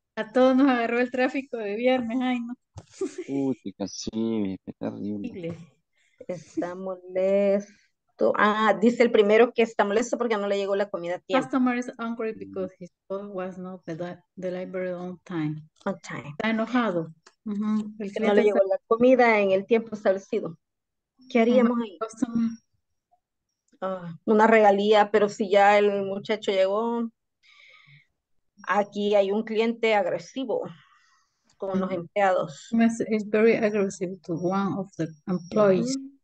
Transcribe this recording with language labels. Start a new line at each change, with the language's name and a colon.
Spanish: A todos nos agarró el tráfico de viernes, ay no. Uy, casi, sí, qué terrible. Está molesto. Ah, dice el primero que está molesto porque no le llegó la comida a tiempo.
English: Customer is angry because his food was not delivered on time. On time.
Spanish: Está enojado. El que no le llegó la comida en el tiempo establecido. ¿Qué haríamos ahí? Customer. Una regalía, pero si ya el muchacho llegó, aquí hay un cliente agresivo con los empleados.
English: It's very aggressive to one of the employees.